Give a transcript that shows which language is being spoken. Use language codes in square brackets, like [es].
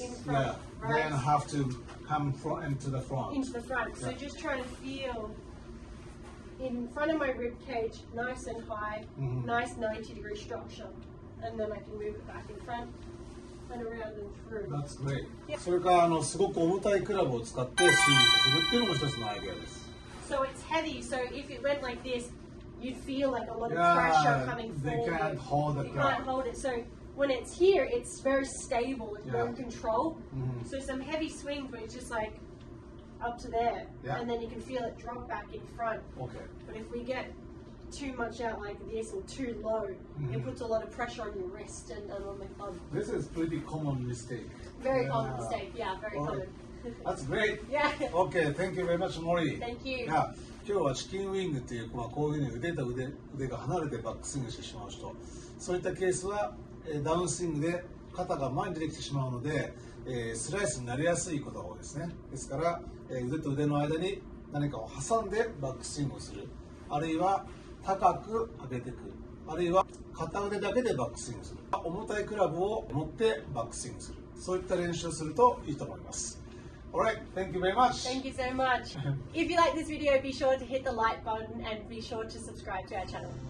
[en] In front, Then I have to come into the front. Into the front. So just try to feel in front of my rib cage, nice and high, mm-hmm. nice 90 degree structure, and then I can move it back in front and around and through. That's great. Yeah. [ja] それからすごく重たいクラブを使ってスイングするっていうのも一つのアイデアです。 [en] So it's heavy, so if it went like this, you'd feel like a lot of pressure coming forward. They can't hold the club. You can't hold it. So when it's here, it's very stable and in control. Mm-hmm. So some heavy swings, but it's just like up to there. Yeah. And then you can feel it drop back in front. Okay. But if we get too much out like this or too low, mm-hmm. it puts a lot of pressure on your wrist and on the club. This is pretty common mistake. Very common mistake, yeah, very common. That's great. Yeah. Okay. Thank you very much, Molly. Thank you. Yeah. [ja] 今日はチキンウィングっていう、まあ、こういうふうに腕と腕が離れてバックスイングしてしまう人、そういったケースはダウンスイングで肩が前に出てきてしまうので、スライスになりやすいことが多いですね。ですから、腕と腕の間に何かを挟んでバックスイングをする、あるいは高く上げていく、あるいは片腕だけでバックスイングする、重たいクラブを持ってバックスイングする、そういった練習をするといいと思います。 [en] Alright, thank you very much. Thank you so much. If you like this video, be sure to hit the like button and be sure to subscribe to our channel.